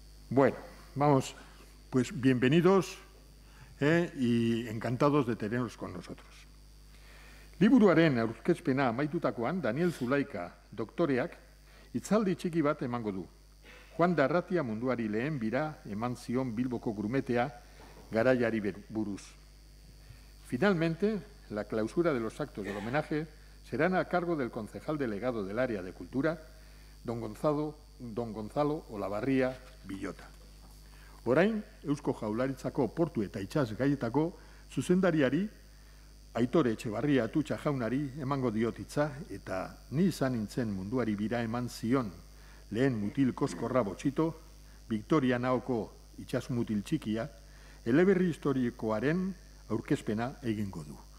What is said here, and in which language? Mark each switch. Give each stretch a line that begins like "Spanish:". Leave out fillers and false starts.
Spanish: Bueno, vamos, pues bienvenidos y encantados de teneros con nosotros.
Basque: Liburuaren aurkezpena amaitutakoan Daniel Zulaika doktoreak hitzaldi txiki bat emango du. Juan de Arratia munduari lehen bira eman zion Bilboko grumetea garaiari buruz.
Spanish: Finalmente, la clausura de los actos del homenaje serán a cargo del concejal delegado del área de cultura, don Gonzalo Olabarria Villota.
Basque: Orain, Eusko Jaularitzako portu eta itxas gaietako zuzendariari Aitore Etxebarria Atutxa jaunari emango diot hitza eta ni izan nintzen munduari bira eman zion lehen mutil koskorra botxito, Victoria Naoko itxas mutil txikia, eleberri historikoaren aurkezpena egingo du.